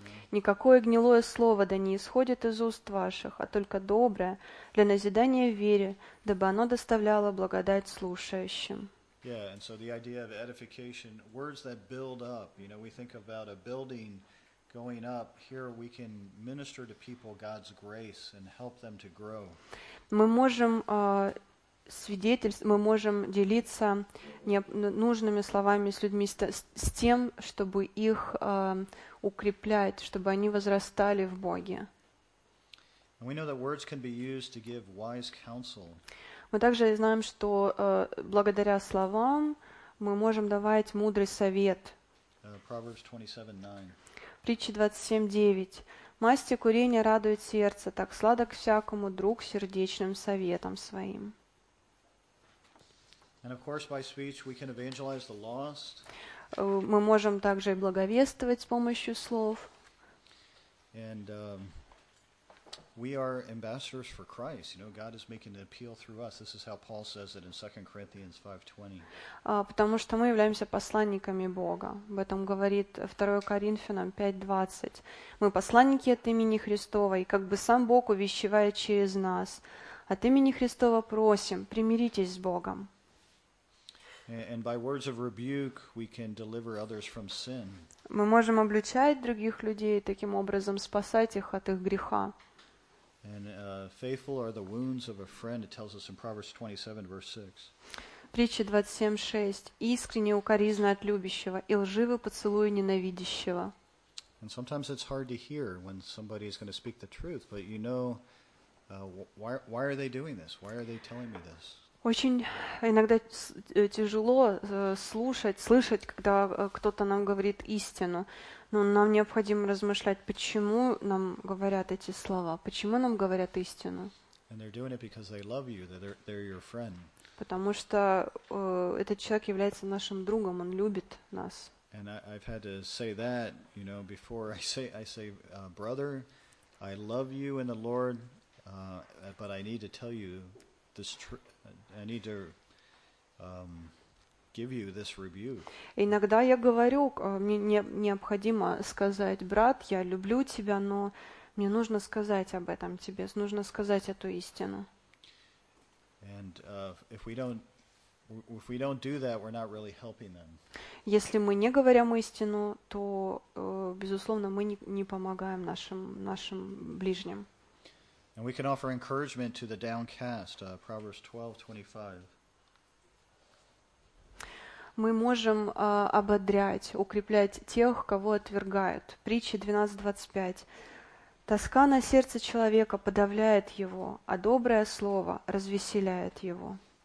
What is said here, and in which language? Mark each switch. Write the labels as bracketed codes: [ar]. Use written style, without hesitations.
[ru] Никакое гнилое слово да не исходит из уст ваших, а только доброе для назидания в вере, дабы оно доставляло благодать слушающим. [en] Yeah, and so the idea of edification, words that build up, you know, we think about a building going up, here we can minister to people God's grace and help them to grow. [ru] Мы можем свидетельствовать, мы можем делиться нужными словами с людьми, с тем, чтобы их укреплять, чтобы они возрастали в Боге. [en] And we know that words can be used to give wise counsel. [ru] Мы также знаем, что благодаря словам мы можем давать мудрый совет. [en] Proverbs 27:9. [ru] Притчи 27:9. Масти курения радует сердце, так сладок всякому друг сердечным советом своим. [en] And of course, by speech we can evangelize the lost. [ru] Мы можем также и благовествовать с помощью слов. [en] And we are ambassadors for Christ. You know, God is making an appeal through us. This is how Paul says it in 2 Corinthians 5:20. [ru] Потому что мы являемся посланниками Бога. Об этом говорит 2 Коринфянам 5:20. Мы посланники от имени Христова, и как бы сам Бог увещевает через нас. От имени Христова просим, примиритесь с Богом. [en] And by words of rebuke, we can deliver others from sin. [ru] Мы можем обличать других людей, таким образом спасать их от их греха. [en] And faithful are the wounds of a friend, it tells us in Proverbs 27, verse 6. [ru] Притча 27:6. Искренне укоризна от любящего и лживы поцелуй ненавидящего. [en] And sometimes it's hard to hear when somebody is going to speak the truth, but you know, why are they doing this? Why are they telling me this? [ru] Очень иногда тяжело слышать, когда кто-то нам говорит истину. Но нам необходимо размышлять, почему нам говорят эти слова, почему нам говорят истину. [en] And they're doing it because they love you, that they're your friend. [ru] Потому что этот человек является нашим другом, он любит нас. [en] And I've had to say that, you know, before I say, brother, I love you in the Lord, but I need to tell you this truth. I need to give you this rebuke. [ru] Иногда я говорю, мне необходимо сказать, брат, я люблю тебя, но мне нужно сказать об этом тебе, нужно сказать эту истину. [en] And if we don't do that, we're not really helping them. [ru] Если мы не говорим истину, то безусловно, мы не помогаем нашим ближним. [en] And we can offer encouragement to the downcast, Proverbs 12:25. [ru] Мы можем ободрять, укреплять тех, кого отвергают. Притча 12:25. Тоска на сердце человека подавляет его, а доброе слово развеселяет его.